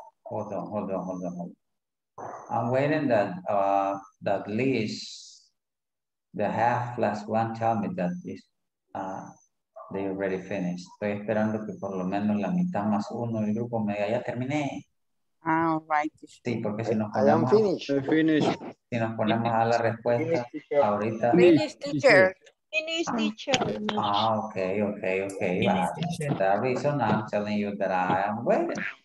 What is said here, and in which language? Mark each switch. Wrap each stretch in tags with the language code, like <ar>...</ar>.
<en>Hold on, hold on, hold on, hold on. I'm waiting that that Liz, the half last one, tell me that is they already finished.</en> <es>Estoy esperando que por lo menos la mitad más uno del grupo me diga ya terminé.</es> <en>All right.</en> <es>Sí, porque si nos ponemos, si nos ponemos a la respuesta ahorita.</es> <en>Finish teacher. Finish teacher. Ah, okay, okay, okay. That's the reason I'm telling you that I am waiting.</en>